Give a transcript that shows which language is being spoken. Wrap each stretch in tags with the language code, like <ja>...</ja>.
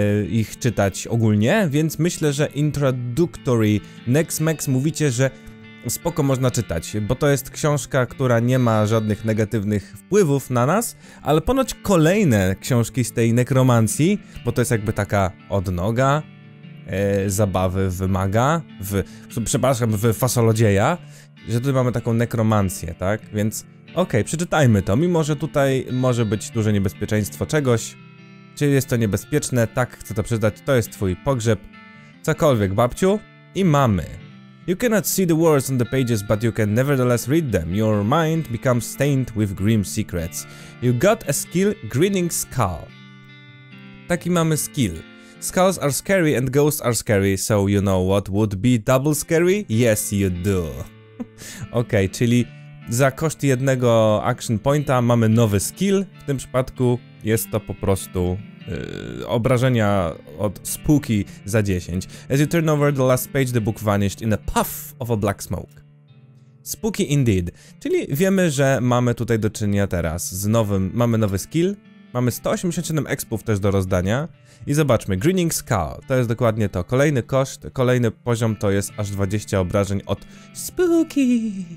<pl>ich czytać ogólnie, więc myślę, że Introductory Nexmex mówicie, że spoko można czytać, bo to jest książka, która nie ma żadnych negatywnych wpływów na nas, ale ponoć kolejne książki z tej nekromancji, bo to jest jakby taka odnoga zabawy w maga, w fasolodzieja, że tutaj mamy taką nekromancję, tak? Więc okej, przeczytajmy to, mimo że tutaj może być duże niebezpieczeństwo czegoś, czy jest to niebezpieczne, tak, chcę to przeczytać, to jest twój pogrzeb, cokolwiek, babciu, i mamy.</pl> <en>You cannot see the words on the pages, but you can nevertheless read them. Your mind becomes stained with grim secrets. You got a skill, Grinning Skull.</en> <pl>Taki mamy skill.</pl> <en>Skulls are scary and ghosts are scary, so you know what would be double scary? Yes, you do.</en> <pl>Okej, czyli za koszt jednego action pointa mamy nowy skill. W tym przypadku jest to po prostu... obrażenia od spooky za 10.</pl> <en>As you turn over the last page, the book vanished in a puff of a black smoke. Spooky indeed.</en> <pl>Czyli wiemy, że mamy tutaj do czynienia teraz z nowym, mamy nowy skill, mamy 187 expów też do rozdania i zobaczmy, Grinning Skull, to jest dokładnie to. Kolejny koszt, kolejny poziom to jest aż 20 obrażeń od spooky.</pl>